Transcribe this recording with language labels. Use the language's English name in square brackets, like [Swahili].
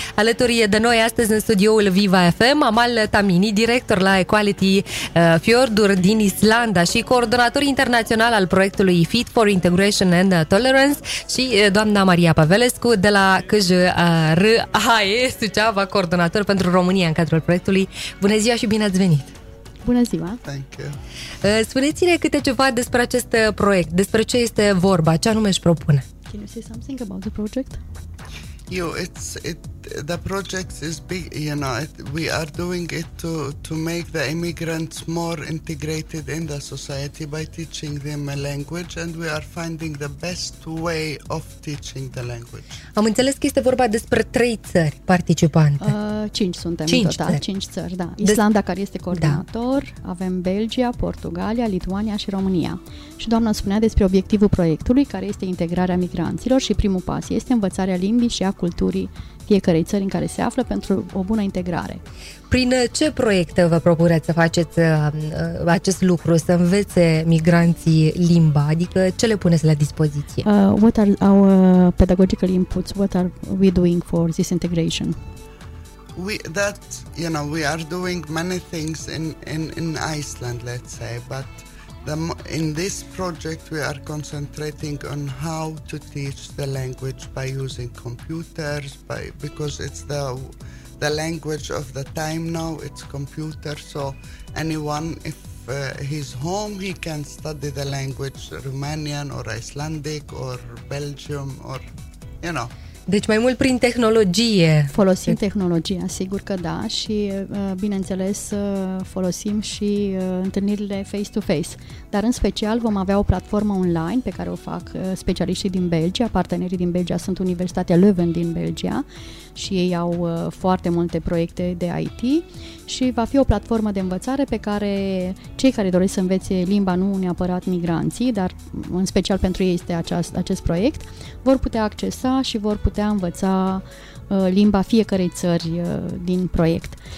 [Romanian] Alături de noi astăzi în studioul Viva FM, Amal Tamini, director la Equality Fjordur din Islanda și coordonator internațional al proiectului Fit for Integration and Tolerance, și doamna Maria Pavelescu de la CJRAE Suceava, coordonator pentru România în cadrul proiectului. Bună ziua și bine ați venit! Bună ziua! [English] Thank you. [Romanian] Spuneți-ne câte ceva despre acest proiect, despre ce este vorba, ce anume își propune. [English] Can you say something about the project? You, the project is big, you know, we are doing it to make the immigrants more integrated in the society by teaching them a language, and we are finding the best way of teaching the language. [Romanian] Am înțeles că este vorba despre trei țări participante. Cinci suntem în total. Cinci țări, da. Islanda, care este coordonator, da. Avem Belgia, Portugalia, Lituania și România. Și doamna spunea despre obiectivul proiectului, care este integrarea migranților, și primul pas este învățarea limbii și a culturii fiecarei țări în care se află pentru o bună integrare. Prin ce proiecte vă propuneți să faceți acest lucru, să învețe migranții limba? Adică ce le puneți la dispoziție? [English] What are our pedagogical inputs? What are we doing for this integration? We are doing many things in Iceland, let's say, but in this project we are concentrating on how to teach the language by using computers, because it's the language of the time now, it's computer, so anyone, if he's home, he can study the language, Romanian or Icelandic or Belgium or, you know. [Romanian] Deci mai mult prin tehnologie. Folosim tehnologia, sigur că da, și bineînțeles folosim și întâlnirile face-to-face. Dar în special vom avea o platformă online pe care o fac specialiștii din Belgia, partenerii din Belgia sunt Universitatea Leuven din Belgia și ei au foarte multe proiecte de IT, și va fi o platformă de învățare pe care cei care doresc să învețe limba, nu neapărat migranții, dar în special pentru ei este acest proiect, vor putea accesa și vor putea învăța limba fiecărei țări din proiect.